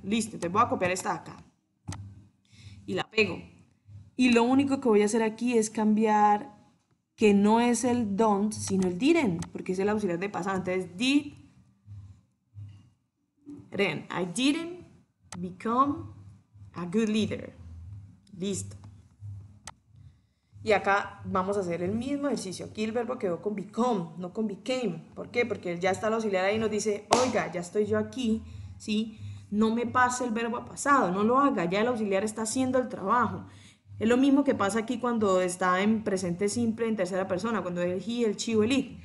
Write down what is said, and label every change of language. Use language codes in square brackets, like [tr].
[es] Listo, te voy a copiar esta de acá. Y la pego. Y lo único que voy a hacer aquí es cambiar que no es el don't, sino el didn't, porque es el auxiliar de pasado. Entonces, did. [en] Ren, I didn't become a good leader. [es] Listo. Y acá vamos a hacer el mismo ejercicio. Aquí el verbo quedó con become, no con became. ¿Por qué? Porque ya está el auxiliar ahí y nos dice, oiga, ya estoy yo aquí, ¿sí? No me pase el verbo a pasado, no lo haga, ya el auxiliar está haciendo el trabajo. Es lo mismo que pasa aquí cuando está en presente simple en tercera persona, cuando es he, el she o el it.